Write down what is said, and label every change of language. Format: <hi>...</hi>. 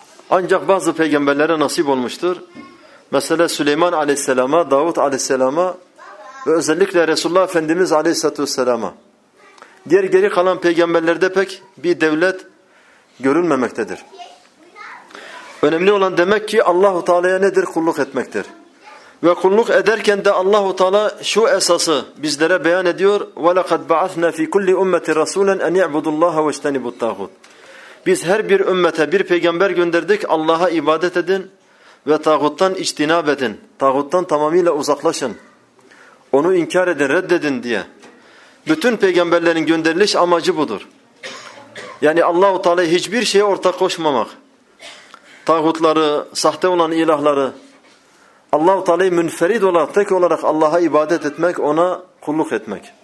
<tr>Ancak bazı peygamberlere nasip olmuştur. Mesela Süleyman Aleyhisselam'a, Davud Aleyhisselam'a ve özellikle Resulullah Efendimiz Aleyhisselatü Vesselam'a. Diğer geri kalan peygamberlerde pek bir devlet görülmemektedir. Önemli olan demek ki Allah-u Teala'ya nedir? Kulluk etmektir. Ve kulluk ederken de Allah-u Teala şu esası bizlere beyan ediyor.</tr> <ar>وَلَقَدْ بَعَثْنَا فِي كُلِّ اُمَّةِ رَسُولًا اَنْ يَعْبُدُ اللّٰهَ وَاِجْتَنِبُ الطَّاغُوتِ</ar> <tr>Biz her bir ümmete bir peygamber gönderdik. Allah'a ibadet edin ve tağuttan içtinab edin. Tağuttan tamamıyla uzaklaşın. Onu inkar edin, reddedin diye. Bütün peygamberlerin gönderiliş amacı budur. Yani Allah-u Teala'ya hiçbir şeye ortak koşmamak. Tağutları, sahte olan ilahları. Allah-u Teala'yı münferid olarak, tek olarak Allah'a ibadet etmek, ona kulluk etmek.</tr>